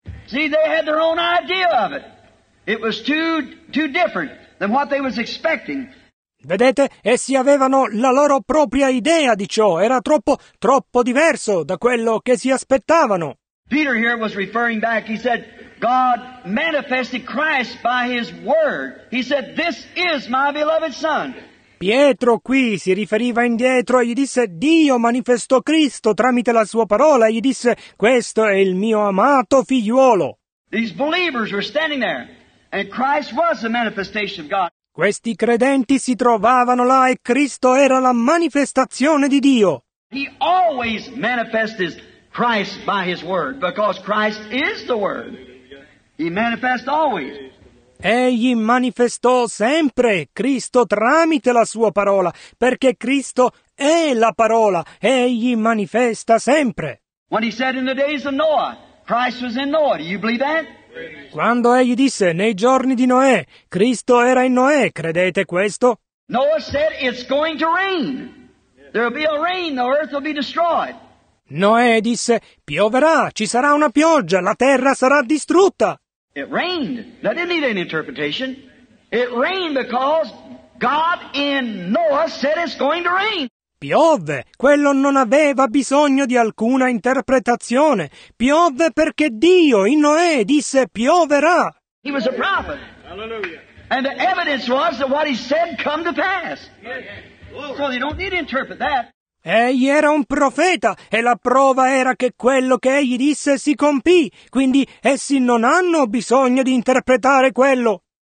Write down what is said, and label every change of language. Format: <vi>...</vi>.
<en>See, they had their own idea of it. It was too different than what they was expecting.</en> <it>Vedete, essi avevano la loro propria idea di ciò. Era troppo diverso da quello che si aspettavano.</it> <en>Peter here was referring back. He said, God manifested Christ by His word. He said, this is my beloved Son.</en> <it>Pietro qui si riferiva indietro e gli disse, Dio manifestò Cristo tramite la sua parola e gli disse, questo è il mio amato figliuolo.</it> <en>These believers were standing there, and Christ was the manifestation of God.</en> <it>Questi credenti si trovavano là e Cristo era la manifestazione di Dio.</it> <en>He always manifests Christ by His word, because Christ is the word. He manifests always.</en> <it>Egli manifestò sempre Cristo tramite la sua parola, perché Cristo è la parola, egli manifesta sempre.</it> <en>When he said in the days of Noah, Christ was in Noah, do you believe that?</en> <it>Quando egli disse nei giorni di Noè, Cristo era in Noè, credete questo?</it> <en>Noah said it's going to rain. There will be a rain, the earth will be destroyed.</en> <it>Noè disse pioverà, ci sarà una pioggia, la terra sarà distrutta.</it> <en>It rained. That didn't need any interpretation. It rained because God in Noah said it's going to rain.</en> <it>Piove. Quello non aveva bisogno di alcuna interpretazione. Piove perché Dio in Noè disse pioverà.</it> <en>He was a prophet. Hallelujah. And the evidence was that what he said come to pass. Yes. So they don't need to interpret that.</en> <it>Egli era un profeta e la prova era che quello che egli disse si compì, quindi essi non hanno bisogno di interpretare quello.</it>